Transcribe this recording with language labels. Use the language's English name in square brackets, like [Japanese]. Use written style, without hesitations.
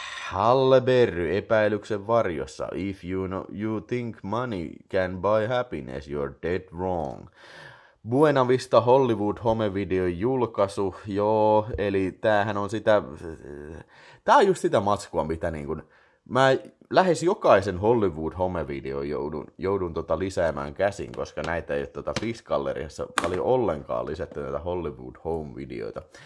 [Finnish] Halle Berry, epäilyksen varjossa. [English] If you think money can buy happiness, you're dead wrong. [Finnish] Buena Vista Hollywood homevideon julkaisu, joo, eli tämähän on sitä, tämä on just sitä matskua, mitä niin kuin, mä lähes jokaisen Hollywood homevideon joudun lisäämään käsin, koska näitä ei ole Fix-galleriassa paljon ollenkaan lisätty näitä Hollywood home-videoita.